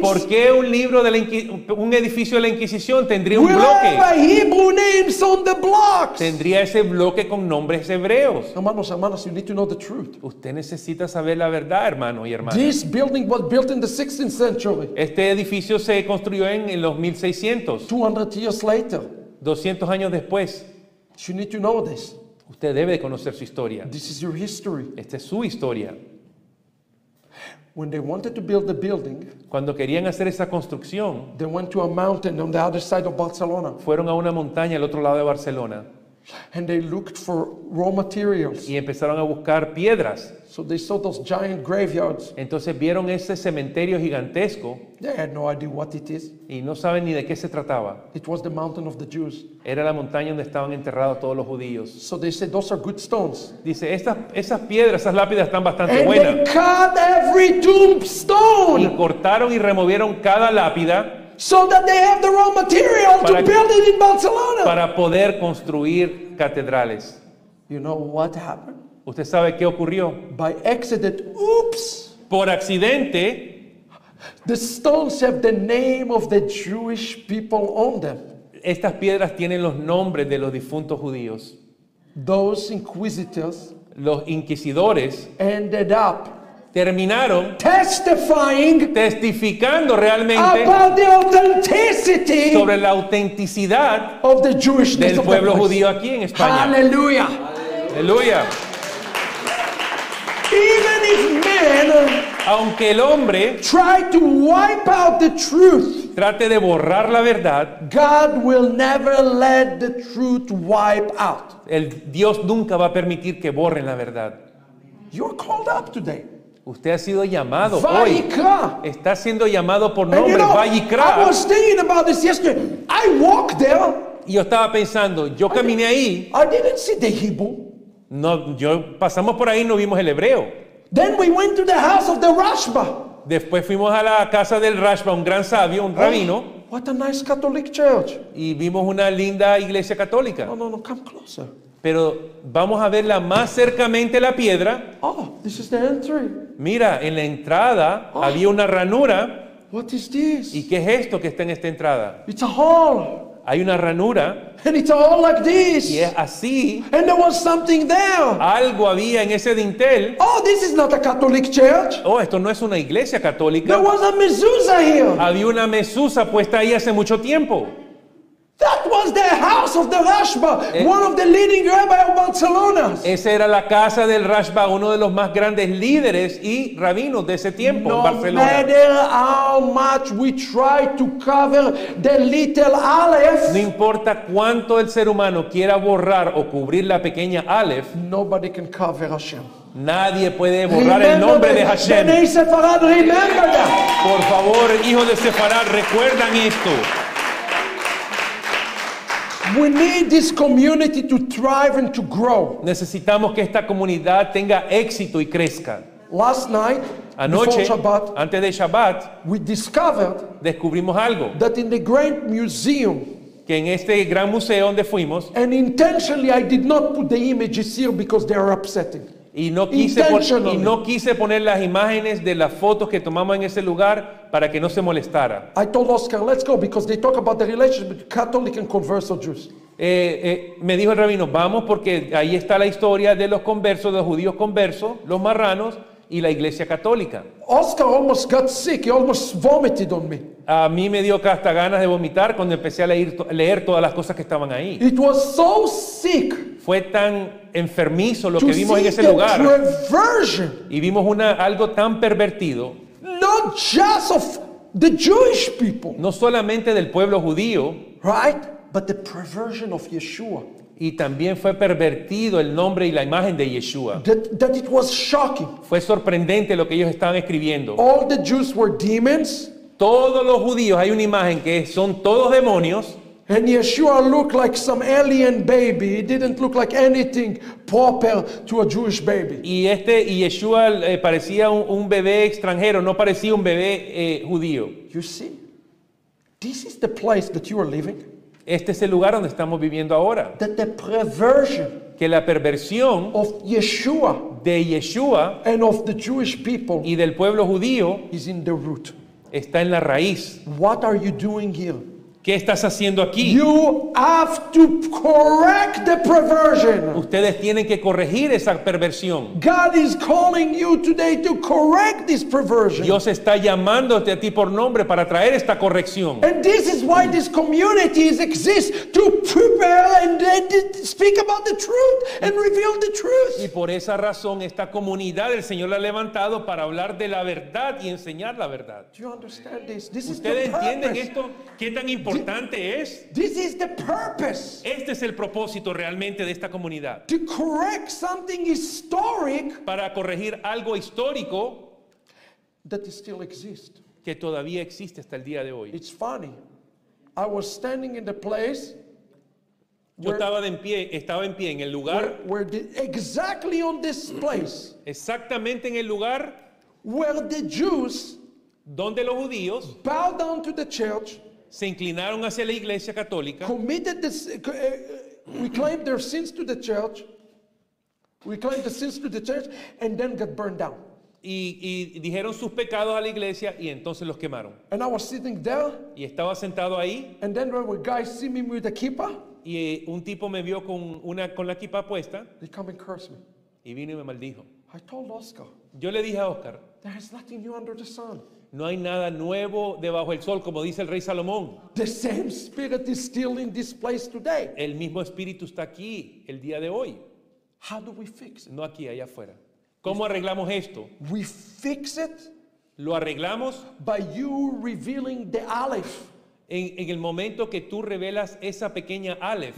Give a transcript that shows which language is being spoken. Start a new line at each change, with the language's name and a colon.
Spanish: ¿Por qué un edificio de la Inquisición tendría un
English: will
Spanish: bloque?
English: Have Hebrew names on the blocks.
Spanish: Tendría ese bloque con nombres hebreos. Hermanos,
English: you need to know the truth.
Spanish: Usted necesita saber la verdad, hermano y hermana.
English: This building was built in the 16th century.
Spanish: Este edificio se construyó en los 1600.
English: 200 years later.
Spanish: 200 años después.
English: You need to know this.
Spanish: Usted debe de conocer su historia.
English: This is your history.
Spanish: Esta es su historia.
English: When they wanted to build the building,
Spanish: cuando querían hacer esa construcción,
English: they went to a mountain on the other side of Barcelona.
Spanish: Fueron a una montaña al otro lado de Barcelona.
English: And they looked for raw materials.
Spanish: Y empezaron a buscar piedras.
English: So they saw those giant graveyards.
Spanish: Entonces vieron ese cementerio gigantesco.
English: They had no idea what it is.
Spanish: Y no saben ni de qué se trataba.
English: It was the mountain of the Jews.
Spanish: Era la montaña donde estaban enterrados todos los judíos.
English: So they said, those are good stones.
Spanish: Dice, esas piedras, esas lápidas están bastante
English: And
Spanish: buenas.
English: They cut every tombstone.
Spanish: Y cortaron y removieron cada lápida.
English: So that they have the raw material to build it in Barcelona.
Spanish: Para poder construir catedrales.
English: You know what happened?
Spanish: ¿Usted sabe qué ocurrió?
English: By accident, oops.
Spanish: Por accidente.
English: The stones have the name of the Jewish people on them.
Spanish: Estas piedras tienen los nombres de los difuntos judíos.
English: Those inquisitors.
Spanish: Los inquisidores.
English: Ended up.
Spanish: Terminaron
English: testifying
Spanish: testificando realmente
English: about the authenticity
Spanish: sobre la autenticidad
English: of the Jewishness
Spanish: del pueblo
English: of the
Spanish: judío aquí en España.
English: Aleluya.
Spanish: Aleluya.
English: Even if men
Spanish: aunque el hombre
English: try to wipe out the truth,
Spanish: trate de borrar la verdad,
English: God will never let the truth wipe out.
Spanish: El Dios nunca va a permitir que borren la verdad.
English: You're called up today.
Spanish: Usted ha sido llamado
Hebrew: Vayikra.
Spanish: Hoy. Está siendo llamado por nombre Vayikra.
English: I was thinking about this yesterday. I walked there.
Spanish: Y yo estaba pensando, yo caminé ahí.
English: I didn't see the Hebrew.
Spanish: No, yo pasamos por ahí y no vimos el hebreo.
English: Then we went to the house of the Rashba.
Spanish: Después fuimos a la casa del Rashba, un gran sabio, un rabino.
English: What a nice Catholic church.
Spanish: Y vimos una linda iglesia católica.
English: No, come closer.
Spanish: Pero vamos a verla más cercamente la piedra.
English: Oh, this is the entry.
Spanish: Mira, en la entrada había una ranura.
English: What is this?
Spanish: ¿Y qué es esto que está en esta entrada?
English: It's a hole.
Spanish: Hay una ranura.
English: And it's a hole like this.
Spanish: Y es así.
English: And there was something there.
Spanish: Algo había en ese dintel.
English: Oh, this is not a Catholic church.
Spanish: Oh, esto no es una iglesia católica.
English: There was a mezuzah here.
Spanish: Había una mezuzah puesta ahí hace mucho tiempo.
English: That was the house of the Rashba, one of the leading rabbis of Barcelona.
Spanish: Esa era la casa del Rashba, uno de los más grandes líderes y rabinos de ese tiempo en Barcelona.
English: No matter how much we try to cover the little aleph,
Spanish: no importa cuánto el ser humano quiera borrar o cubrir la pequeña aleph,
English: nobody can cover Hashem.
Spanish: Nadie puede borrar el nombre de Hashem.
English: Bnei Sefarad, remember that.
Spanish: Por favor, hijo de Sefarad, recuerdan esto.
English: We need this community to thrive and to grow.
Spanish: Necesitamos que esta comunidad tenga éxito y crezca.
English: Last night,
Spanish: anoche,
English: before Shabbat,
Spanish: antes de Shabbat,
English: we discovered
Spanish: descubrimos algo.
English: That in the Grand Museum,
Spanish: que en este gran museo donde fuimos,
English: and intentionally I did not put the images here because they are upsetting.
Spanish: Y no quise poner las imágenes de las fotos que tomamos en ese lugar para que no se molestara.
English: I told Oscar, let's go because they talk about the relationship between Catholic and converso Jews.
Spanish: Me dijo el rabino, vamos porque ahí está la historia de los conversos, de los judíos conversos, los marranos y la iglesia católica.
English: Oscar almost got sick, he almost vomited on me.
Spanish: A mí me dio hasta ganas de vomitar cuando empecé a leer todas las cosas que estaban ahí.
English: It was so sick.
Spanish: Fue tan enfermizo lo que vimos en ese lugar.
English: Perversion.
Spanish: Y vimos algo tan pervertido.
English: Not just of the Jewish people.
Spanish: No solamente del pueblo judío.
English: Right? But the perversion of Yeshua.
Spanish: Y también fue pervertido el nombre y la imagen de Yeshua.
English: That it was shocking.
Spanish: Fue sorprendente lo que ellos estaban escribiendo.
English: All the Jews were demons.
Spanish: Todos los judíos, hay una imagen que son todos demonios.
English: And Yeshua looked like some alien baby. He didn't look like anything proper to a Jewish baby.
Spanish: Y Yeshua parecía un bebé extranjero, no parecía un bebé judío.
English: You see? This is the place that you are living.
Spanish: Este es el lugar donde estamos viviendo ahora.
English: That the perversion
Spanish: que la perversión
English: of Yeshua
Spanish: de Yeshua
English: and of the Jewish people
Spanish: y del pueblo judío
English: is in the root.
Spanish: Está en la raíz.
English: What are you doing here?
Spanish: ¿Qué estás haciendo aquí?
English: You have to correct the perversion.
Spanish: Ustedes tienen que corregir esa perversión.
English: God is calling you today to correct this perversion.
Spanish: Dios está llamándote a ti por nombre para traer esta corrección.
English: And this is why this community exists, to prepare and speak about the truth and reveal the truth.
Spanish: Y por esa razón esta comunidad el Señor la ha levantado para hablar de la verdad y enseñar la verdad.
English: Do you understand this? This
Spanish: ¿Ustedes entienden
English: purpose.
Spanish: Esto? ¿Qué tan importante es?
English: This is the purpose.
Spanish: Este es el propósito realmente de esta comunidad.
English: To correct something historic,
Spanish: para corregir algo histórico
English: that still exists.
Spanish: Que todavía existe hasta el día de hoy.
English: It's funny. I was standing in the place.
Spanish: Yo estaba en pie en el lugar.
English: Exactly on this place.
Spanish: Exactamente en el lugar
English: where the Jews
Spanish: donde los judíos
English: bow down to the church.
Spanish: Se inclinaron hacia la iglesia católica.
English: Committed this, reclaimed their sins to the church. Reclaimed the sins to the church and then got burned down.
Spanish: Y dijeron sus pecados a la iglesia y entonces los quemaron.
English: And I was sitting there.
Spanish: Y estaba sentado ahí.
English: And then there were guys see me with the kippah.
Spanish: Y un tipo me vio con la kippah puesta.
English: They come and curse me.
Spanish: Y vino y me maldijo.
English: I told Oscar.
Spanish: Yo le dije a Oscar.
English: There is nothing new under the sun.
Spanish: No hay nada nuevo debajo del sol, como dice el rey Salomón.
English: The same spirit is still in this place today.
Spanish: El mismo espíritu está aquí el día de hoy.
English: How do we fix it?
Spanish: No aquí, allá afuera. ¿Cómo arreglamos esto?
English: We fix it.
Spanish: Lo arreglamos.
English: By you revealing the aleph.
Spanish: En el momento que tú revelas esa pequeña aleph.